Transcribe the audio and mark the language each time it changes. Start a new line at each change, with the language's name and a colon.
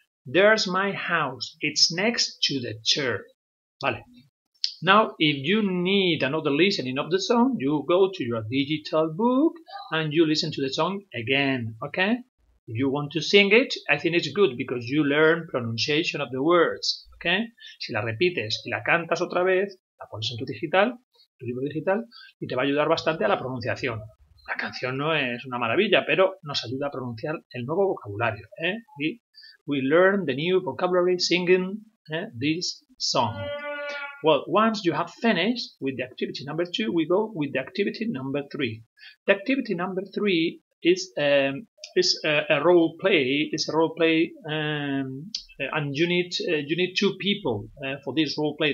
English: There's my house, it's next to the chair, vale. Now, if you need another listening of the song, you go to your digital book and you listen to the song again, okay? If you want to sing it, I think it's good because you learn pronunciation of the words, okay?
Spanish: Si la repites y la cantas otra vez, la pones en tu libro digital, y te va a ayudar bastante a la pronunciación. La canción no es una maravilla, pero nos ayuda a pronunciar el nuevo vocabulario, ¿eh?
English: We learn the new vocabulary singing this song. Well, once you have finished with the activity number two, we go with the activity number three. The activity number three is a role play, and you need two people for this role play.